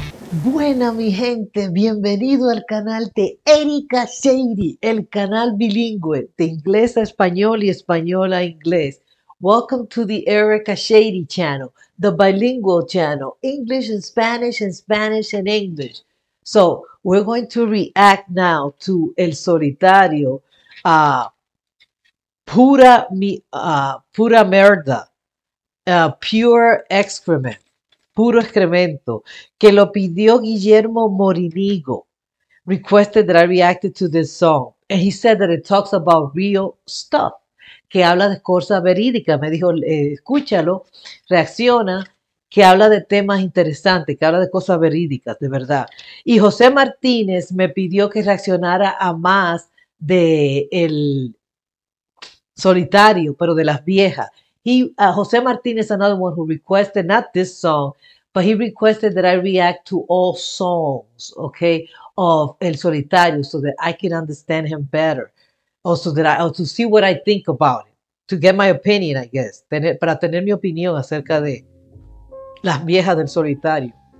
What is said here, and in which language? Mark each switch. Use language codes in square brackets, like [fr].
[es] Buena, mi gente, bienvenido al canal de Erika Sheidy, el canal bilingüe de inglés a español y español a inglés. [en] Welcome to the Erika Sheidy channel, the bilingual channel, English and Spanish and English. So, we're going to react now to El Solitario, pura merda, pure excrement. [es] Puro excremento, que lo pidió Guillermo Morinigo. [en] Requested that I reacted to this song. And he said that it talks about real stuff, [es] que habla de cosas verídicas. Me dijo, escúchalo, reacciona, que habla de temas interesantes, que habla de cosas verídicas, de verdad. Y José Martínez me pidió que reaccionara a más de El Solitario, pero de las viejas. [en] José Martínez, another one who requested not this song, but he requested that I react to all songs, okay, of El Solitario, so that I can understand him better, also that I or to see what I think about it, to get my opinion, I guess, [es] para tener mi opinión acerca de las viejas del Solitario.